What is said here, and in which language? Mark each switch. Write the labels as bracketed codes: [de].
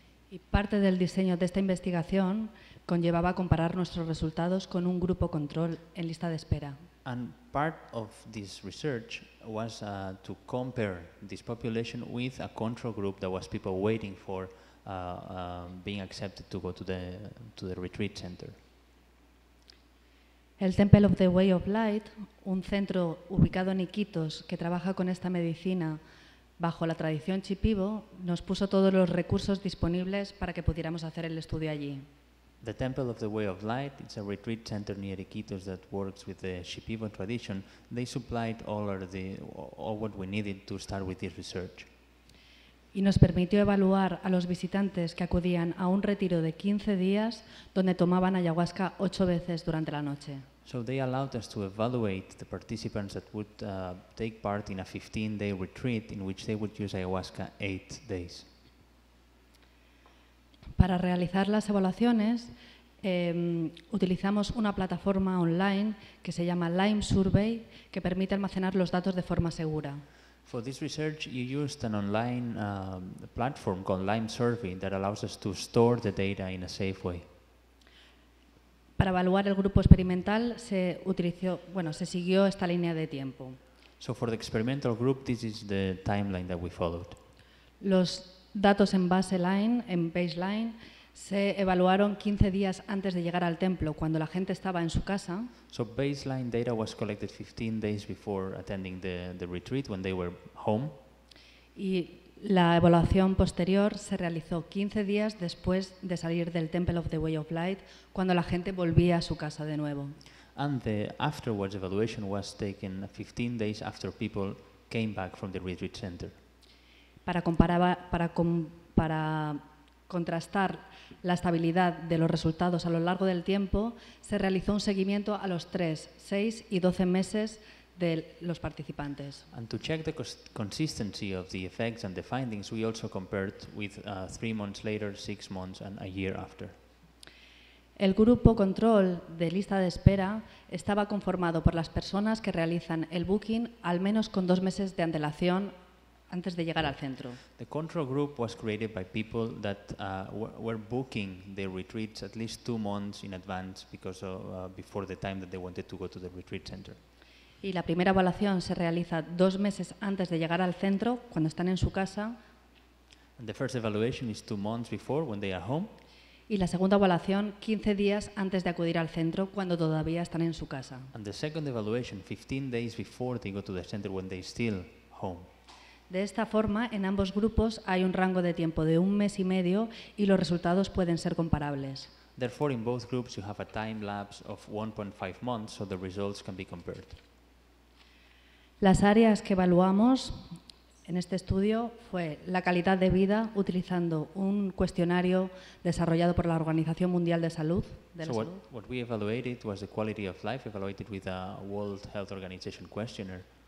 [es] Y parte del diseño de esta investigación conllevaba comparar nuestros resultados con un grupo control en lista de espera. [en] And part of this research was to compare this population with a control group that was people waiting for being accepted to go to the retreat center. [es] El Temple of the Way of Light, un centro ubicado en Iquitos que trabaja con esta medicina bajo la tradición chipibo, nos puso todos los recursos disponibles para que pudiéramos hacer el estudio allí. [en] The Temple of the Way of Light, it's a retreat center near Iquitos that works with the chipibo tradition. They supplied all what we needed to start with this research. [es] Y nos permitió evaluar a los visitantes que acudían a un retiro de 15 días donde tomaban ayahuasca 8 veces durante la noche. [en] So they allowed us to evaluate the participants that would take part in a 15-day retreat in which they would use ayahuasca 8 days. [es] Para realizar las evaluaciones, utilizamos una plataforma online que se llama Lyme Survey, que permite almacenar los datos de forma segura. [en] For this research, you used an online platform called Lyme Survey that allows us to store the data in a safe way. [es] Para evaluar el grupo experimental, se siguió esta línea de tiempo. [en] So for the experimental group, this is the timeline that we followed. [es] Los datos en baseline, en baseline, se evaluaron 15 días antes de llegar al templo, cuando la gente estaba en su casa. [en] So baseline data was collected 15 days before attending the retreat, when they were home. [es] Y la evaluación posterior se realizó 15 días después de salir del Temple of the Way of Light, cuando la gente volvía a su casa de nuevo. [en] And the afterwards evaluation was taken 15 days after people came back from the retreat center. [es] Para contrastar la estabilidad de los resultados a lo largo del tiempo, se realizó un seguimiento a los 3, 6 y 12 meses de los participantes. [en] And to check the consistency of the effects and the findings, we also compared with 3 months later, 6 months and a year after. [es] El grupo control de lista de espera estaba conformado por las personas que realizan el booking al menos con 2 meses de antelación antes de llegar al centro. [en] The control group was created by people that were booking their retreats at least 2 months in advance because of, before the time that they wanted to go to the retreat center. [es] Y la primera evaluación se realiza 2 meses antes de llegar al centro, cuando están en su casa. [en] And the first evaluation is 2 months before, when they are home. [es] Y la segunda evaluación 15 días antes de acudir al centro, cuando todavía están en su casa. [en] And the second evaluation 15 days before they go to the center, when they're still home. [es] De esta forma, en ambos grupos hay un rango de tiempo de 1 mes y medio y los resultados pueden ser comparables. [en] Therefore, in both groups you have a time lapse of 1.5 months, so the results can be compared. [es] Las áreas que evaluamos en este estudio fue la calidad de vida utilizando un cuestionario desarrollado por la Organización Mundial de Salud. [en] What we evaluated was the quality of life evaluated with a World Health Organization questionnaire.